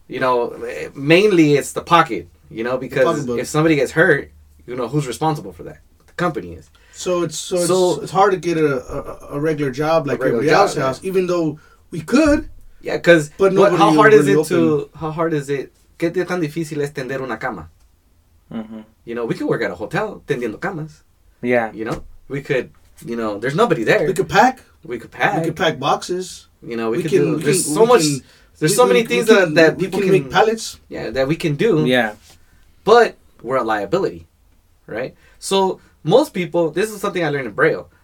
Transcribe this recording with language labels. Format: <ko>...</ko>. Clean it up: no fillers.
<en>You know, mainly it's the pocket, you know, because if somebody gets hurt, you know, who's responsible for that? The company is. So it's hard to get a regular job like everybody else has, even though we could. Yeah, because how hard is it?</en> <es>¿Qué tan difícil es tender una cama?</es> <en>You know, we could work at a hotel</en> <es>tendiendo camas.</es> <en>Yeah. You know, we could, you know, there's nobody there. We could pack boxes. You know, there's so many things that we can make pallets. Yeah, that we can do. Yeah. But we're a liability, right? So most people, this is something I learned in Braille.</en>